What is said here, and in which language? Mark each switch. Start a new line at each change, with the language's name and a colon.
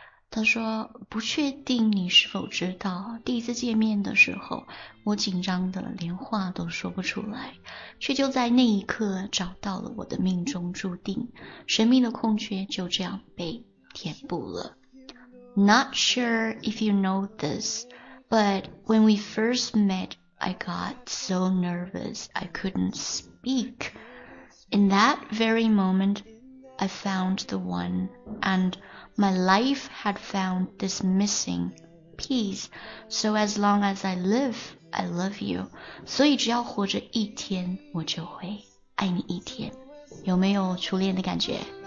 Chinese: 他说：“不确定你是否知道，第一次见面的时候，我紧张的连话都说不出来，却就在那一刻找到了我的命中注定，神秘的空缺就这样被填补了。
English: Not sure if you know this, but when we first met, I got so nervous I couldn't speak. In that very moment, I found the one and... My life had found this missing piece. So as long as I live, I love you.
Chinese: 所以只要活着一天，我就会爱你一天。有没有初恋的感觉？